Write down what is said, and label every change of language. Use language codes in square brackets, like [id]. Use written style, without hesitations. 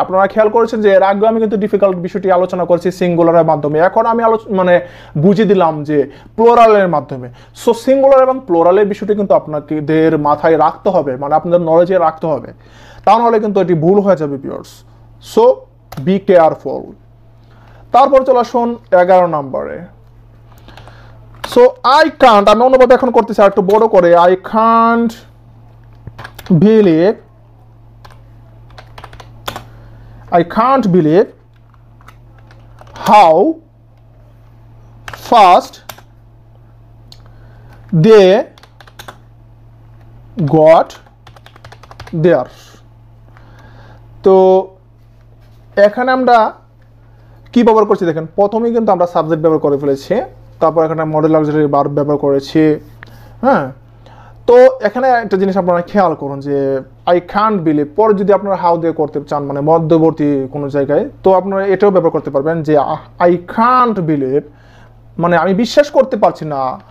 [bn] আপনারা খেয়াল করেছেন যে এর আগে আমি কিন্তু ডিফিকাল্ট বিষয়টি আলোচনা করেছি সিঙ্গুলারের মাধ্যমে, এখন আমি মানে বুঝিয়ে দিলাম যে প্লোরালের মাধ্যমে, সো সিঙ্গুলার এবং প্লোরালের বিষয়টি কিন্তু আপনাদের মাথায় রাখতে হবে মানে আপনাদের নলেজে রাখতে হবে, তা নাহলে কিন্তু এটি ভুল হয়ে যাবে পিওর্স, [en] So be careful. [bn] তারপর চলে আসুন এগারো নম্বরে, সো আই কান্ট, আমি অনুবাদ এখন করতেছি আর একটু বড় করে, I can't believe [en] I can't believe how fast they got there. [bn] তো এখানে আমরা কি ব্যবহার করছি দেখেন, প্রথমেই কিন্তু আমরা সাবজেক্ট ব্যবহার করে ফেলেছি, তারপর এখানে মডেল অক্সিলারি ভার্ব ব্যবহার করেছি। হ্যাঁ, তো এখানে একটা জিনিস আপনারা খেয়াল করুন যে আই ক্যান্ট বিলিভ, পরে যদি আপনারা হাউ দিয়ে করতে চান মানে মধ্যবর্তী কোনো জায়গায়, তো আপনারা এটাও ব্যবহার করতে পারবেন যে আই ক্যান্ট বিলিভ মানে আমি বিশ্বাস করতে পারছি না।